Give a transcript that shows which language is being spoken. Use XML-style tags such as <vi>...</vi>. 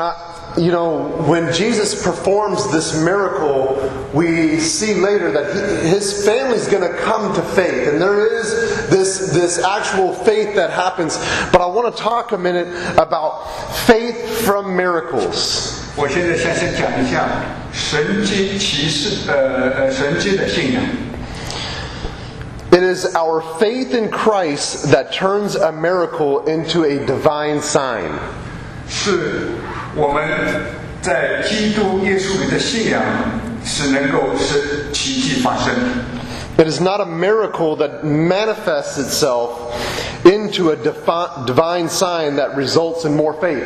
<en>I, you know, when Jesus performs this miracle, we see later that his family is going to come to faith, and there is this actual faith that happens. But I want to talk a minute about faith from miracles.</en> <zh>我现在先讲一下神迹的信仰。</zh> <en>It is our faith in Christ that turns a miracle into a divine sign.</en> <zh>是我们在基督耶稣里的信仰是能够使奇迹发生。</zh> <en>It is not a miracle that manifests itself into a divine sign that results in more faith.</en>